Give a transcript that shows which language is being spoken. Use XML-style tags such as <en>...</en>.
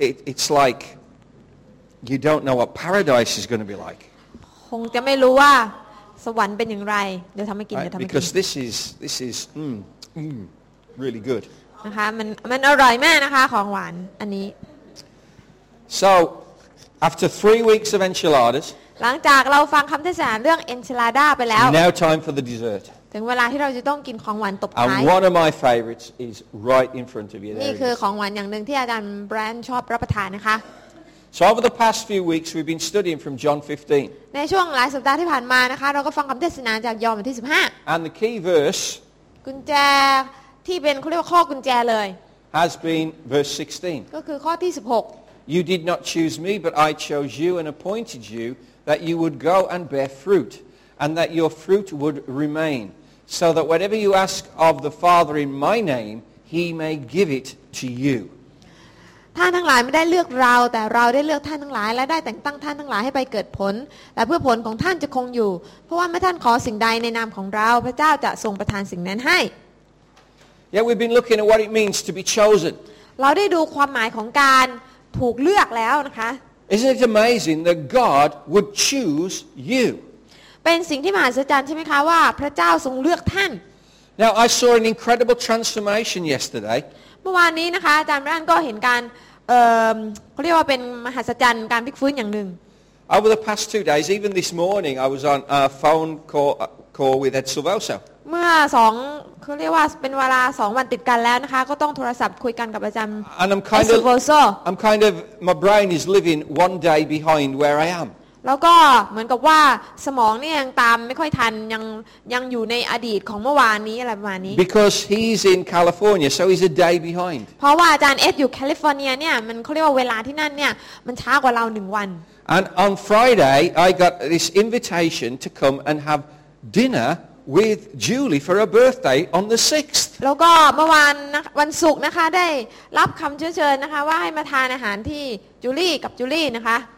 <en>it's like you don't know what paradise is going to be like.</en> <th>คงจะไม่รู้ว่าสวรรค์เป็นอย่างไรเดี๋ยวทำให้กินเดี๋ยวทำให้กิน</th> <en>Because this is really good.</en> <th>นะคะมันอร่อยมากนะคะของหวานอันนี้</th> <en>So after 3 weeks of enchiladas,</en> <th>หลังจากเราฟังคำเทศนาเรื่อง enchilada ไปแล้ว</th> <en>Now time for the dessert.</en> <th>ถึงเวลาที่เราจะต้องกินของหวานตบท้าย</th> <en>And one of my favorites is right in front of you.</en> <th>นี่คือของหวานอย่างหนึ่งที่อาจารย์แบรนด์ชอบรับประทานนะคะ</th> <en>So over the past few weeks we've been studying from John 15.</en> <th>ในช่วงหลายสัปดาห์ที่ผ่านมานะคะเราก็ฟังคำเทศนาจากยอห์นบทที่15</th> <en>And the key verse.</en> <th>กุญแจที่เป็นเขาเรียกว่าข้อกุญแจเลย</th> <en>has been verse 16</en> <th>ก็คือข้อที่16</th> <en>you did not choose me but I chose you and appointed you that you would go and bear fruit and that your fruit would remain so that whatever you ask of the Father in my name he may give it to you</en> <th>ท่านทั้งหลายไม่ได้เลือกเราแต่เราได้เลือกท่านทั้งหลายและได้แต่งตั้งท่านทั้งหลายให้ไปเกิดผลและเพื่อผลของท่านจะคงอยู่เพราะว่าเมื่อท่านขอสิ่งใดในนามของเราพระเจ้าจะทรงประทานสิ่งนั้นให้</th> <en>Yeah we've been looking at what it means to be chosen</en> <th>เราได้ดูความหมายของการถูกเลือกแล้วนะคะ</th> <en>Isn't it amazing that God would choose you</en> <th>เป็นสิ่งที่มหัศจรรย์ใช่ไหมคะว่าพระเจ้าทรงเลือกท่าน</th> <en>Now I saw an incredible transformation yesterday</en> <th>เมื่อวานนี้นะคะอาจารย์แบรนด์ก็เห็นการเขาเรียกว่าเป็นมหัศจรรย์การพลิกฟื้นอย่างหนึ่ง</th> <en>Over the past 2 days, even this morning, I was on a phone call with Ed Silvoso.</en> <th>เมื่อ2เขาเรียกว่าเป็นเวลา2วันติดกันแล้วนะคะก็ต้องโทรศัพท์คุยกันกับอาจารย์</th> <en>And I'm kind of my brain is living one day behind where I am.</en> <th>แล้วก็เหมือนกับว่าสมองเนี่ยยังตามไม่ค่อยทันยังอยู่ในอดีตของเมื่อวานนี้อะไรประมาณนี้</th> <en>Because he's in California so he's a day behind</en> <th>เพราะว่าอาจารย์เอ็ดอยู่แคลิฟอร์เนียเนี่ยมันเขาเรียกว่าเวลาที่นั่นเนี่ยมันช้ากว่าเรา1วัน</th> <en>And on Friday I got this invitation to come and have dinner with Julie for her birthday on the 6th</en> <th>แล้วก็เมื่อวานวันศุกร์นะคะได้รับคำเชิญนะคะว่าให้มาทานอาหารที่จูลี่กับจูลี่นะคะ</th>